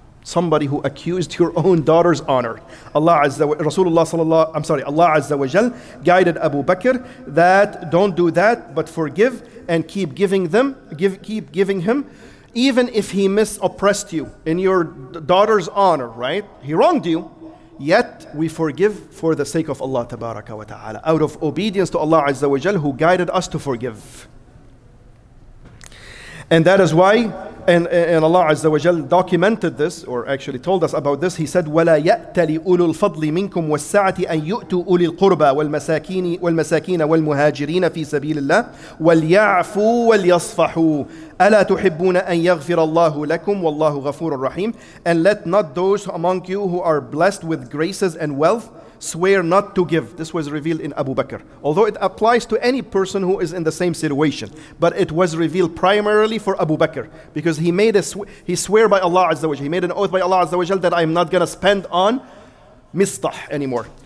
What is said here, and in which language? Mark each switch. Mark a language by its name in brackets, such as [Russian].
[English] Somebody who accused your own daughter's honor. Allah Azza wa Jal guided Abu Bakr that don't do that, but forgive and keep giving him, even if he misoppressed you in your daughter's honor, right? He wronged you, yet we forgive for the sake of Allah Tabaraka wa Ta'ala, out of obedience to Allah Azza wa Jal, who guided us to forgive. And that is why, and Allah Azza wa Jal documented this, or actually told us about this. He said, [Arabic] وَلَا يَأْتَلِ أُولُو الْفَضْلِ مِنْكُمْ وَالسَّعَةِ أَنْ يُؤْتُوا أُولِي الْقُرْبَى وَالْمَسَاكِينَ وَالْمُهَاجِرِينَ فِي سَبِيلِ اللَّهِ وَلْيَعْفُوا وَلْيَصْفَحُوا أَلَا تُحِبُّونَ أَنْ يَغْفِرَ اللَّهُ لَكُمْ وَاللَّهُ غَفُورٌ رَحِيمٌ. [English] And let not those among you who are blessed with graces and wealth swear not to give. This was revealed in Abu Bakr. Although it applies to any person who is in the same situation. But it was revealed primarily for Abu Bakr. Because he made he swear by Allah Azza wa Jal. He made an oath by Allah Azza wa Jal that I am not going to spend on mistah anymore.